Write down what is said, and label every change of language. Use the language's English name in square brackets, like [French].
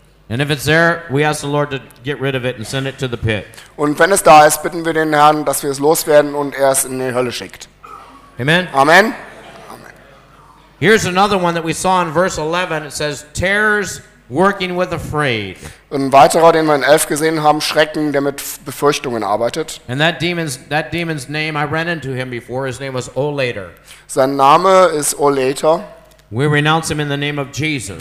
[English] And if it's there, we ask the Lord to get rid of it and send it to the pit. [German] Und wenn es da ist, bitten wir den Herrn, dass wir es loswerden und er es in die Hölle schickt. Amen. Amen. Amen. [English] Here's another one that we saw in verse 11. It says, "Terrors working with afraid." [German] Ein weiterer, den wir in 11 gesehen haben, Schrecken, der mit Befürchtungen arbeitet. [English] And that demon's name, I ran into him before. His name was Oleter. [German] Sein Name ist Oleter. [English] We renounce him in the name of Jesus.